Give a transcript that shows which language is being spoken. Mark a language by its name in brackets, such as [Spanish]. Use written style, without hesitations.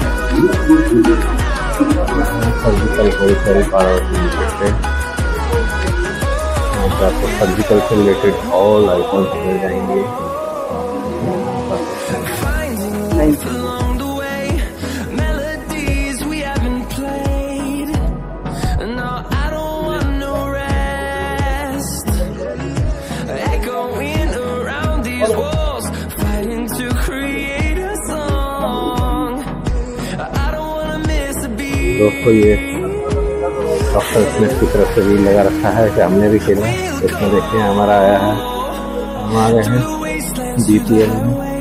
[Hindi] Surgical बहुत सारी party मिल सकते हैं, यहाँ पे आपको सर्जिकल से रिलेटेड ऑल आइकॉन्स मिल जाएंगे। [English] Along the way, melodies we haven't played. No, I don't want no rest. Echoing around these walls, fighting to create a song. I don't wanna miss a beat. Look for you. [Hindi] Doctor Smith की तरफ से भी लगा रखा है कि हमने भी खेला। इसमें देखते हैं हमारा आया है, हम आ गए हैं BPL में।